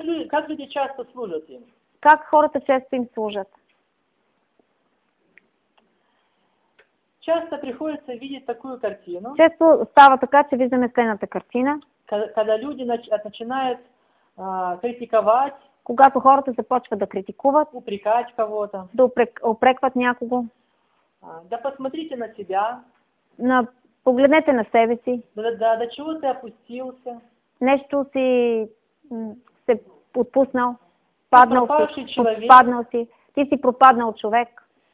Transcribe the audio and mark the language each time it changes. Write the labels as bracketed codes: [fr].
[ru] Как люди часто служат им? [bg] Как хората често им служат? [ru] Часто приходится видеть такую картину. [bg] Често става така, че виждаме следната картина. [ru] Когда люди начинают критиковать. [bg] Когато хората започват да критикуват, [ru] упрекать кого-то, [bg] да упрекват някого, [ru] да посмотрите на себя, [bg] погледнете на себе си, [ru] до чего ты опустился, [bg] нещо си се отпуснал, паднал си, ти си пропаднал човек,